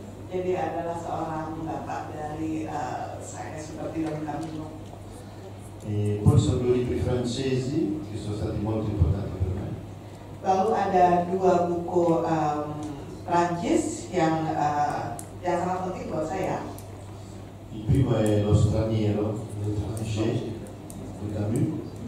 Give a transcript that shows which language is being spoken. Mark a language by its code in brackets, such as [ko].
[id] Jadi adalah seorang bapak dari saga seperti Don Camillo. [it] E poi sono due libri francesi che sono stati molto importanti per me. [id] Lalu ada dua buku Prancis yang sangat penting buat saya. [it] Il primo è Lo straniero, Le Français, di Camus.